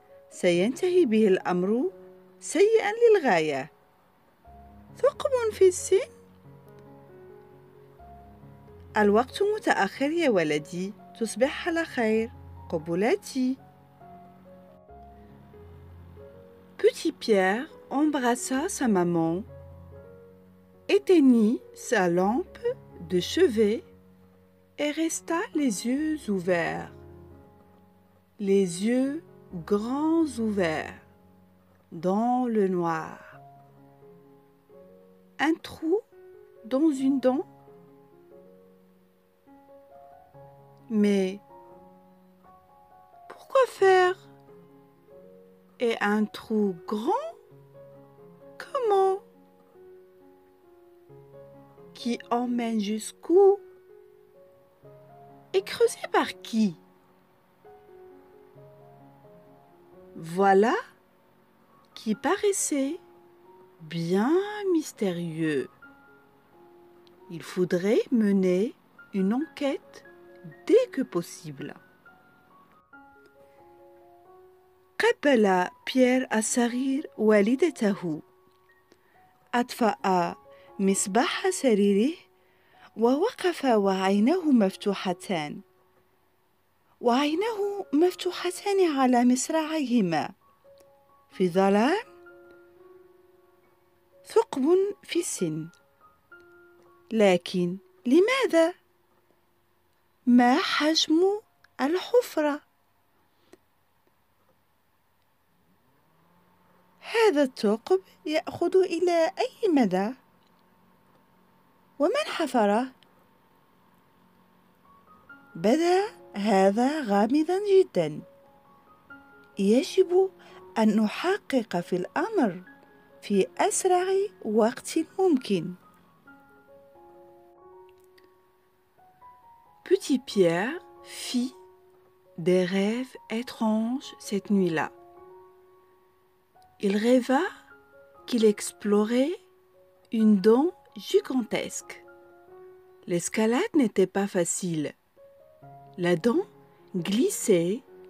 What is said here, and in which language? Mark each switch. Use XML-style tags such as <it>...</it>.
<ar>سينتهي به الأمر سيئا للغاية. ثقب في السن؟ الوقت متأخر يا ولدي، تصبح على خير. قبلاتي.</ar> <fr>Petit Pierre embrassa sa maman, éteignit sa lampe de chevet et resta les yeux ouverts, les yeux grands ouverts, dans le noir. Un trou dans une dent? Mais pourquoi faire? Et un trou grand? Comment? Qui emmène jusqu'où? Et creusé par qui? Voilà qui paraissait bien mystérieux. Il faudrait mener une enquête dès que possible.</fr> <ar>قبل بيير السرير والدته، أطفأ مصباح سريره ووقف وعينه مفتوحتان، وعينه مفتوحتان على مصراعيهما في ظلام. ثقب في السن، لكن لماذا؟ ما حجم الحفرة؟ هذا الثقب يأخذ إلى أي مدى؟ ومن حفره؟ بدا هذا غامضا جدا، يجب أن نحقق في الأمر في أسرع وقت ممكن.</ar> <fr>Petit Pierre fit des rêves étranges cette nuit-là. Il rêva qu'il explorait une dent gigantesque. L'escalade n'était pas facile. La dent glissait.</fr>